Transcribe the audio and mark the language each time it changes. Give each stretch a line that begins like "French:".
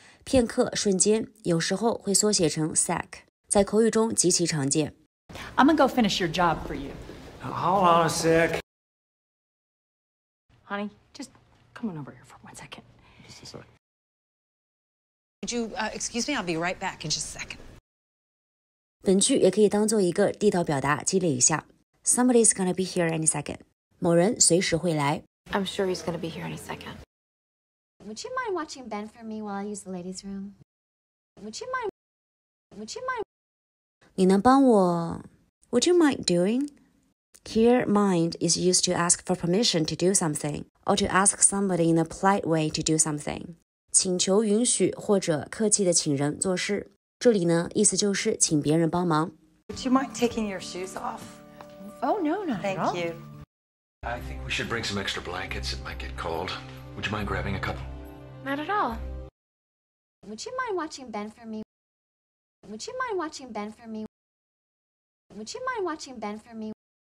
Chinese: 片刻瞬间有时候会缩写成 sec, 在口语中极其常见。
English: I'm going to go finish your job for you. Hold on a sec. Honey, just come on over here for one second. Just a sec. Would you, excuse me, I'll be right back in just a second.
Chinese: 本句也可以当做一个地道表达积累一下。
English: Somebody's going to be here any second.
Chinese: 某人随时会来。
English: I'm sure he's going to be here any second. Would you mind watching Ben for me while I use the ladies' room? Would you mind?
Chinese: 你能帮我
English: Would you mind doing? Here, mind is used to ask for permission to do something or to ask somebody in a polite way to do something.
Chinese: 请求允许或者客气的请人做事。这里呢，意思就是请别人帮忙。
English: Would you mind taking your shoes off? Oh, no, not at all. Thank you. I think we should bring some extra blankets. It might get cold. Would you mind grabbing a couple? Not at all. Would you mind watching Ben for me? Would you mind watching Ben for me? Would you mind watching Ben for me?